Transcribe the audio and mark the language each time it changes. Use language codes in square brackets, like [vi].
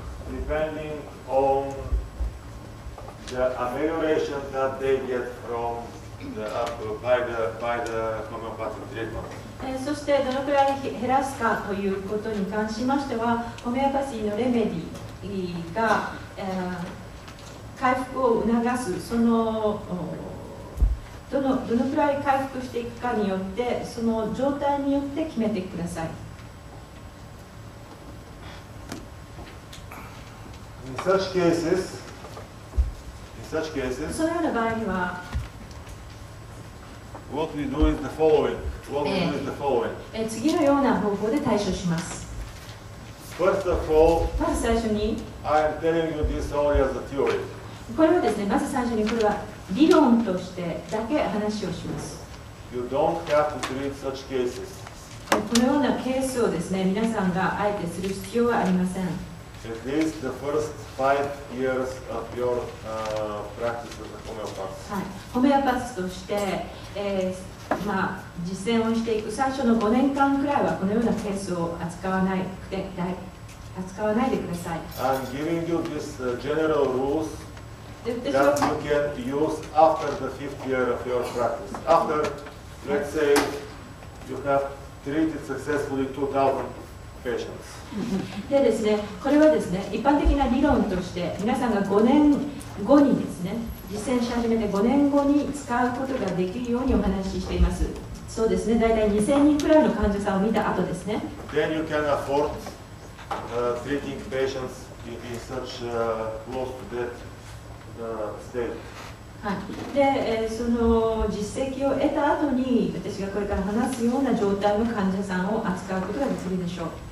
[en] depending on the amelioration that they get from the, by the homeopathic treatment [ja] そしてどのくらい減らすかということに関しましては、ホメオパシーのレメディが、回復を促す、そのどのくらい回復していくかによって、その状態によって決めてください。 [en] In such cases, [ja] そのような場合には [en] What we do is the followingWe'll do the following. [ja] 次のような方法で対処します。 [en] First of all, [ja] まず最初に [en] I am telling you this only as a theory. [ja] これはですね、まず最初にこれは理論としてだけ話をします。 [en] You don't have to treat such cases. [ja] このようなケースをですね、皆さんがあえてする必要はありません。 [en] At least the first five years of your practice as a homeopath. [ja] はい、ホメオパスとして、まあ、実践をしていく最初の5年間くらいはこのようなケースを扱わないで、扱わないでください。 [en] I'm giving you this general rules that you can use after the fifth year of your practice. After, let's say, you have treated successfully 2,000 patients. [ja] でですね、これはですね、一般的な理論として皆さんが5年後にですね、実践し始めて5年後に使うことができるようにお話ししています。そうですね、大体2000人くらいの患者さんを見た後ですね。 [en] Then you can afford treating patients in such close to death state. [ja] はい、で、その実績を得た後に私がこれから話すような状態の患者さんを扱うことができるでしょう。